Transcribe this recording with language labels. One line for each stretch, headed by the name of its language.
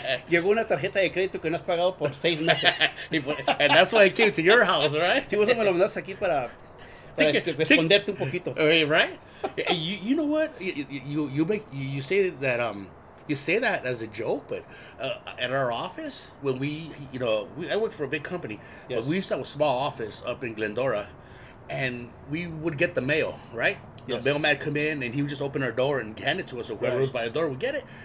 Spanish: Llegó una tarjeta de crédito que no has pagado por 6 meses.
English: And that's why I came to your house, right?
Spanish: Sí, vos me lo mandaste aquí para esconderte un poquito.
English: Right? You know what? You say that as a joke, but at our office, when I worked for a big company, yes. But we used to have a small office up in Glendora, and we would get the mail, right? Yes. The mailman come in, and he would just open our door and hand it to us, or whoever was by the door would get it.